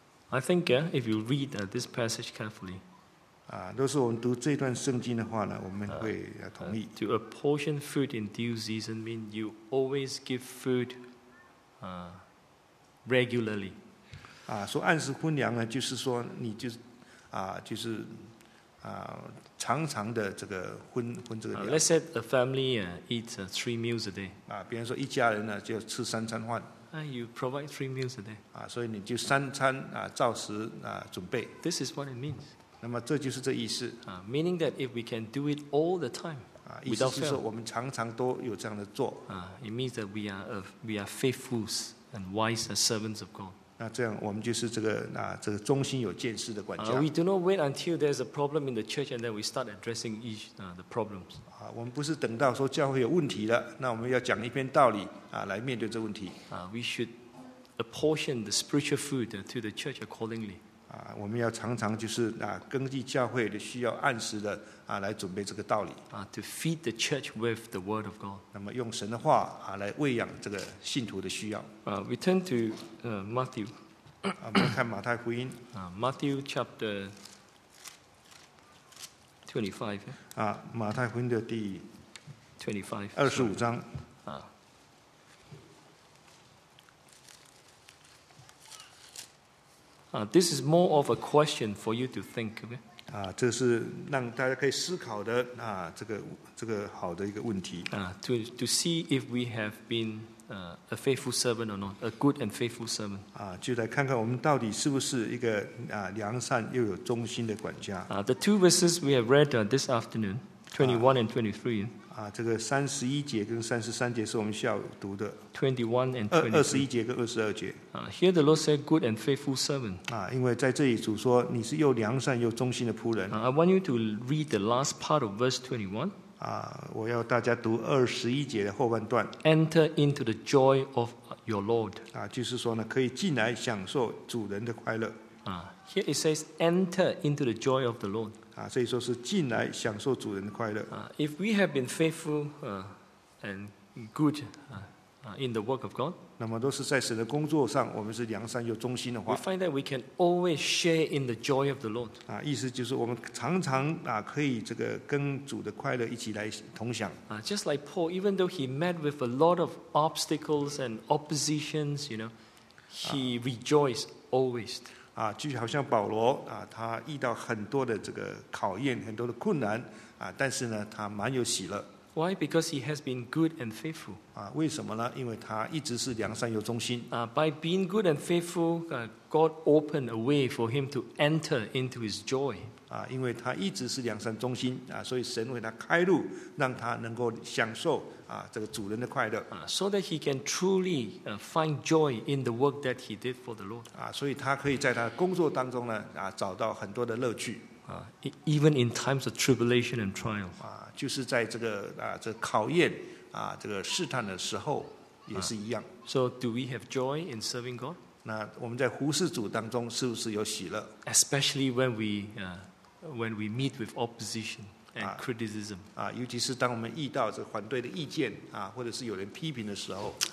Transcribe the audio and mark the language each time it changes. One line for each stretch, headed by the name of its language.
English: I think if you read this passage carefully.
Chinese: 都是我们读这段圣经的话呢，我们会同意。
English: To apportion food in due season means you always give food regularly.
Chinese: 说按时分粮呢，就是说你就是常常的这个分这个粮。
English: Let's say a family eats three meals a day.
Chinese: 比方说一家人呢就吃三餐饭。
English: You provide three meals a day.
Chinese: 所以你就三餐照时准备。
English: This is what it means.
Chinese: 那么这就是这意思。
English: Meaning that if we can do it all the time,
Chinese: 意思就是说我们常常都有这样的做。
English: It means that we are faithful and wise servants of God.
Chinese: 那这样我们就是这个忠心有见识的管家。
English: We do not wait until there's a problem in the church and then we start addressing the problems.
Chinese: 我们不是等到说教会有问题了，那我们要讲一篇道理来面对这问题。
English: We should apportion the spiritual food to the church accordingly.
Chinese: 我们要常常就是根据教会的需要按时的来准备这个道理。
English: To feed the church with the word of God.
Chinese: 那么用神的话来喂养这个信徒的需要。
English: We turn to Matthew.
Chinese: 我们看马太福音。
English: Matthew chapter 25.
Chinese: 马太福音的第二十五章。
English: This is more of a question for you to think. Okay?
Chinese: 这是让大家可以思考的啊，这个好的一个问题。
English: To see if we have been a faithful servant or not, a good and faithful servant.
Chinese: 啊，就来看看我们到底是不是一个啊良善又有忠心的管家。
English: The two verses we have read this afternoon, 21 and 23.
Chinese: 这个三十一节跟三十三节是我们下午读的。
English: 21 and 23.
Chinese: 21节跟22节。
English: Here the Lord said, good and faithful servant.
Chinese: 因为在这里主说你是又良善又忠心的仆人。
English: I want you to read the last part of verse 21.
Chinese: 我要大家读21节的后半段。
English: Enter into the joy of your Lord.
Chinese: 就是说呢可以进来享受主人的快乐。
English: Here it says, enter into the joy of the Lord.
Chinese: 所以说是进来享受主人的快乐。
English: If we have been faithful and good in the work of God,
Chinese: 那么都是在神的工作上，我们是良善又忠心的话。
English: We find that we can always share in the joy of the Lord.
Chinese: 意思就是我们常常可以这个跟主的快乐一起来同享。
English: Just like Paul, even though he met with a lot of obstacles and oppositions, you know, he rejoiced always.
Chinese: 就好像保罗他遇到很多的这个考验，很多的困难但是呢，他蛮有喜乐。
English: Why? Because he has been good and faithful.
Chinese: 为什么呢？因为他一直是良善又忠心。
English: By being good and faithful, God opened a way for him to enter into his joy.
Chinese: 因为他一直是良善忠心所以神为他开路，让他能够享受这个主人的快乐。
English: So that he can truly find joy in the work that he did for the Lord.
Chinese: 所以他可以在他工作当中呢找到很多的乐趣。
English: Even in times of tribulation and trial.
Chinese: 就是在这个这考验这个试探的时候也是一样。
English: So do we have joy in serving God?
Chinese: 那我们在服事主当中是不是有喜乐？
English: Especially when we meet with opposition and criticism.
Chinese: 尤其是当我们遇到这反对的意见或者是有人批评的时候。